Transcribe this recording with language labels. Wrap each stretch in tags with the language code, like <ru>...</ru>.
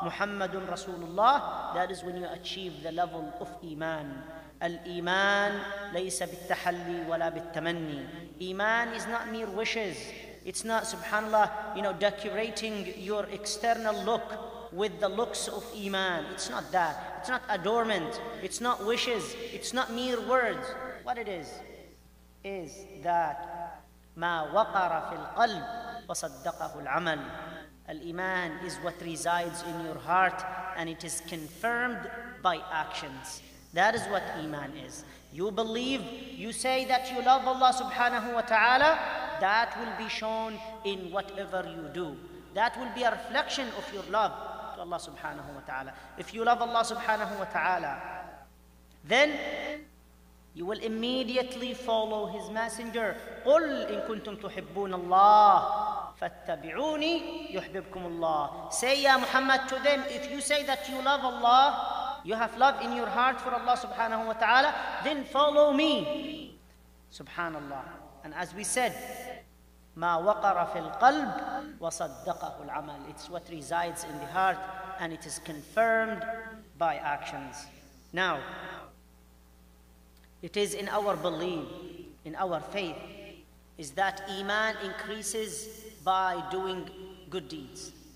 <en>Muhammadun Rasulullah, that is when you achieve the level of Iman.</en> <ar>Al-Iman laysa bit-tahalli wala bit-tamanni.</ar> <en>Iman is not mere wishes. It's not, subhanAllah, you know, decorating your external look with the looks of Iman. It's not that. It's not adornment. It's not wishes. It's not mere words. What it is that</en> <ar>ما وقر في القلب وصدقه العمل.</ar> <en>Al-Iman is what resides in your heart and it is confirmed by actions. That is what Iman is. You believe, you say that you love Allah subhanahu wa ta'ala, that will be shown in whatever you do. That will be a reflection of your love to Allah subhanahu wa ta'ala. If you love Allah subhanahu wa ta'ala, then you will immediately follow His messenger.</en> <ar>قُلْ إِن كُنْتُمْ تُحِبُّونَ اللَّهِ فَاتَّبِعُونِي يُحْبِبْكُمُ اللَّهِ.</ar> <en>Say, Ya Muhammad, to them, if you say that you love Allah, you have love in your heart for Allah subhanahu wa ta'ala, then follow me. Subhanallah. And as we said,</en> <ar>ما وقر في القلب وصدقه العمل.</ar> <en>It's what resides in the heart and it is confirmed by actions. Now, it is in our belief, in our faith, is that Iman increases by doing good deeds,</en>